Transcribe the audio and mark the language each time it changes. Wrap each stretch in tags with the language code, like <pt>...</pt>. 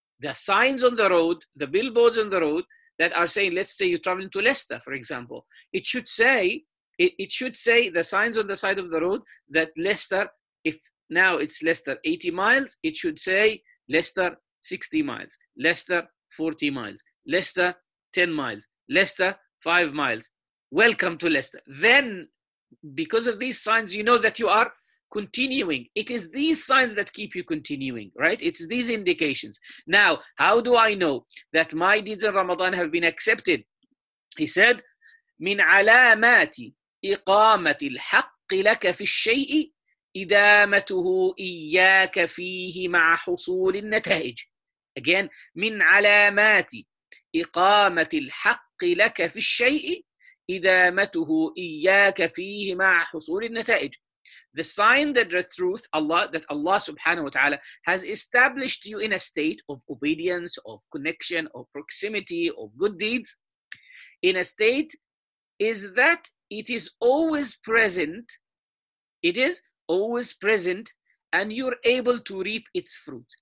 <en>The signs on the road, the billboards on the road that are saying, let's say you're traveling to Leicester, for example, it should say the signs on the side of the road that Leicester, if now it's Leicester 80 miles, it should say Leicester 60 miles, Leicester 40 miles, Leicester 10 miles, Leicester 5 miles. Welcome to Leicester. Then, because of these signs, you know that you are continuing. It is these signs that keep you continuing, right? It's these indications. Now, how do I know that my deeds in Ramadan have been accepted? He said,</en> <ar>من علامات إقامة الحق لك في الشيء إدامته إياك فيه مع حصول النتائج.</ar> <en>Again,</en> <ar>من علامات إقامة الحق لك في الشيء إدامته إياك فيه مع حصول النتائج.</ar> <en>The sign that the truth, Allah, that Allah subhanahu wa ta'ala has established you in a state of obedience, of connection, of proximity, of good deeds, in a state is that it is always present, it is always present, and you're able to reap its fruits.</en>